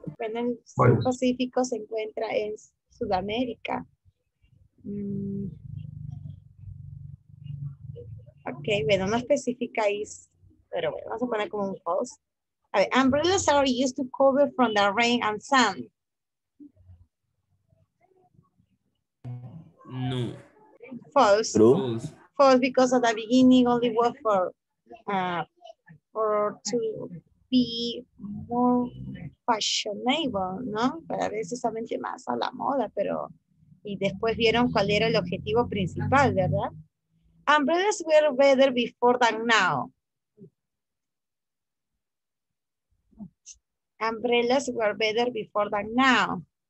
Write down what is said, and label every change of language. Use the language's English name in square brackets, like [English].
[Spanish] En el sur pacífico se encuentra en Sudamérica. Ok, bueno, no especificáis, pero bueno, vamos a poner como un false. [English] A ver, umbrellas are used to cover from the rain and sun. No. False. True. False, because at the beginning only was for to be more fashionable, ¿no? [Spanish] Para ver precisamente más a la moda, pero y después vieron cuál era el objetivo principal, ¿verdad? [English] Umbrellas were better before than now. Umbrellas were better before than now.